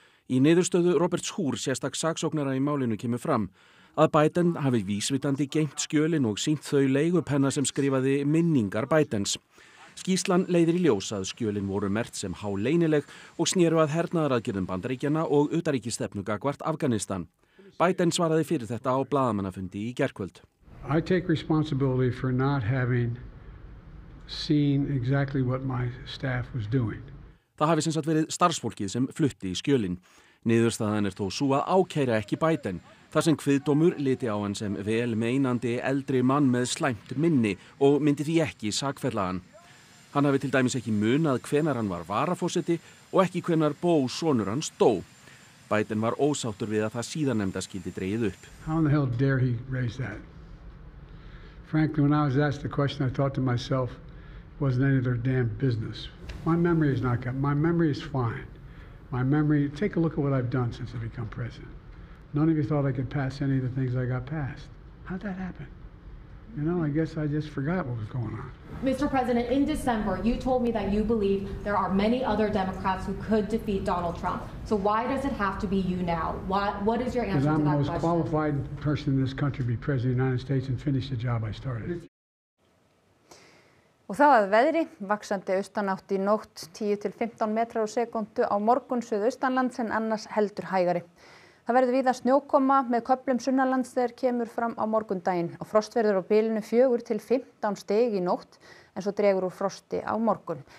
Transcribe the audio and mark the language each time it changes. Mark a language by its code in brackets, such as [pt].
[is] Í niðurstöðu Roberts Húr sérstak saksóknara í málinu kemur fram að Biden hafi vísvitandi geymt skjölin og sýnt þau leigupenna sem skrifaði minningar Bidens. Skýrslan leiðir í ljós að skjölin voru merkt sem háleynileg og snéru að hernaðaraðgerðum Bandaríkjanna og utanríkisstefnu gagnvart Afganistan. Biden svaraði fyrir þetta á blaðamannafundi í gærkvöld. [en] I take responsibility for not having seen exactly what my staff was doing. [is] Það hafi sem sagt verið starfsfólkið sem flutti í skjölin. Niðurstaðan þó sú að ákæra ekki Biden, þar sem kviðdómur liti á hann sem vel meinandi eldri mann með slæmt minni og myndi því ekki sakfella hann. Hann hafi til dæmis ekki munað hvenær hann var varaforseti og ekki hvenær bó sonur hans dó. Biden var ósáttur við að það síðarnefnda skyldi dregið upp. [en] How in the hell dare he raise that? Frankly, when I was asked the question, I thought to myself, wasn't any of their damn business. My memory is not good. My memory is fine. My memory, take a look at what I've done since I've become president. None of you thought I could pass any of the things I got passed. How'd that happen? You know, I guess I just forgot what was going on. Mr. President, in December, you told me that you believe there are many other Democrats who could defeat Donald Trump. So why does it have to be you now? What is your answer to that question? I'm the most qualified person in this country to be president of the United States and finish the job I started. [is] Og þá að veðri, vaxandi austanátt í nótt 10-15 metrar á sekundu á morgun suðaustanlands en annars heldur hægari. Það verður víða snjókoma með köflum sunnanlands þegar kemur fram á morgundaginn og frost verður á bilinu 4-15 stig í nótt en svo dregur úr frosti á morgun.